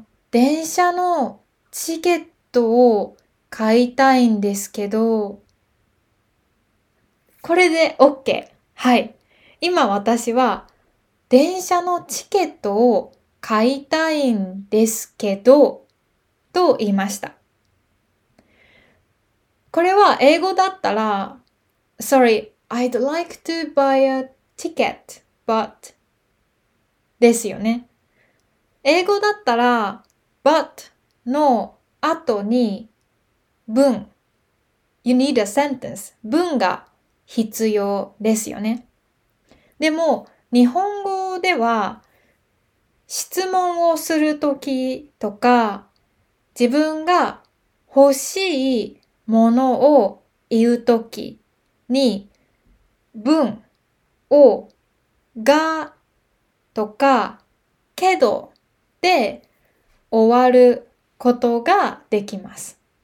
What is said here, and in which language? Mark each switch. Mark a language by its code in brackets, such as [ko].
[ja] 電車のチケットを買いたいんですけど、これで OK。はい。今私は、電車のチケットを買いたいんですけどと言いました。これは英語だったら、 [en] Sorry, I'd like to buy a ticket, but [ja] ですよね。英語だったら、but の後に文、 [en] You need a sentence, [ja] 文が必要ですよね。でも、日本語では質問をするときとか自分が欲しいものを言うときに文をがとかけどで終わることができます。